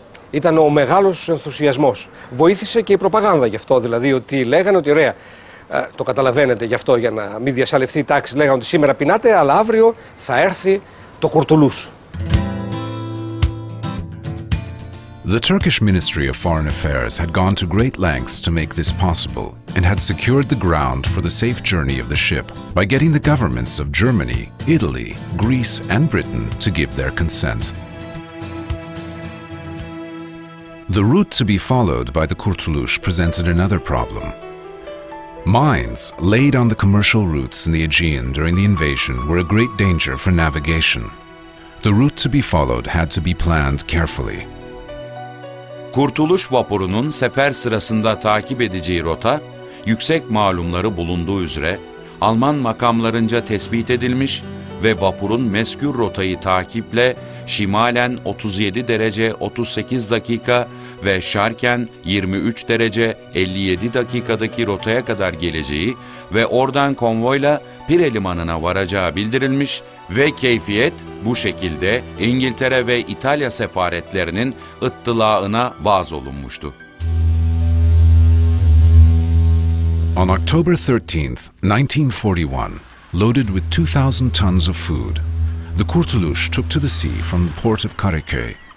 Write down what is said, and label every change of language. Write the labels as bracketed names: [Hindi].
[Greek] Ήταν ο μεγάλος ενθουσιασμός. Βοήθησε και η προπαγάνδα γι' αυτό, δηλαδή ότι λέγανε ότι ωραία. Το καταλαβαίνετε γι' αυτό, για να μην διασαλευτεί η τάξη, λέγανε ότι σήμερα πεινάτε, αλλά αύριο θα έρθει το Κουρτουλούς. [English] The Turkish Ministry of Foreign Affairs had gone to great lengths to make this possible and had secured the ground for the safe journey of the ship by getting the governments of Germany, Italy, Greece and Britain to give their consent. The route to be followed by the Kurtulus presented another problem. Mines laid on the commercial routes in the Aegean during the invasion were a great danger for navigation. The route to be followed had to be planned carefully. [Turkish] Kurtuluş vapurunun sefer sırasında takip edeceği rota, yüksek malumları bulunduğu üzere Alman makamlarınca tespit edilmiş ve vapurun mezkür rotayı takiple şimalen 37 derece 38 dakika ve şarken 23 derece 57 dakikadaki rotaya kadar geleceği ve oradan konvoyla Pire Limanı'na varacağı bildirilmiş ve keyfiyet bu şekilde İngiltere ve İtalya sefaretlerinin ıttılağına vaz olunmuştu. [English] On October 13th, 1941, loaded with 2,000 tons of food, the Kurtulus took to the sea from the port of Karaköy.